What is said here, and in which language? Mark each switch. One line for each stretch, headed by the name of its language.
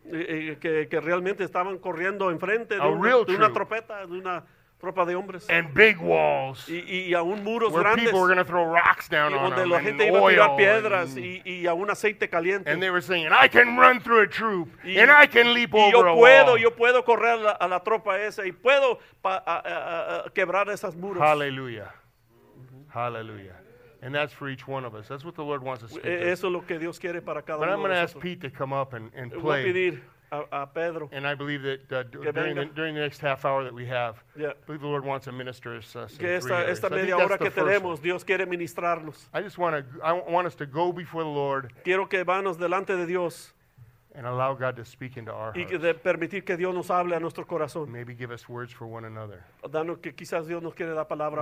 Spanish: Que realmente estaban corriendo enfrente de una tropeta, de una tropa de hombres.
English: And big walls.
Spanish: Y aún muros
English: where
Spanish: grandes.
English: People were going to throw rocks down on them.
Spanish: Y la gente
English: and
Spanish: iba
English: oil
Spanish: a tirar piedras y aún aceite caliente.
English: And they were saying, I can run through a troop and I can leap over
Spanish: yo puedo,
English: a wall.
Spanish: Yo puedo correr a la tropa esa y puedo quebrar esas muros.
English: Hallelujah. Hallelujah. And that's for each one of us. That's what the Lord wants us to speak.
Spanish: Eso es lo que Dios quiere para cada
English: but
Spanish: uno
English: I'm going to ask Pete to come up and play.
Spanish: Voy a pedir a Pedro.
English: And I believe that during the next half hour that we have, I believe the Lord wants to minister us. I just want us to go before the Lord.
Spanish: Quiero que vamos delante de Dios.
English: And allow God to speak into our hearts.
Spanish: Y de permitir que Dios nos hable a nuestro corazón.
English: Maybe give us words for one another.
Spanish: Danos que quizás Dios nos quiere dar palabra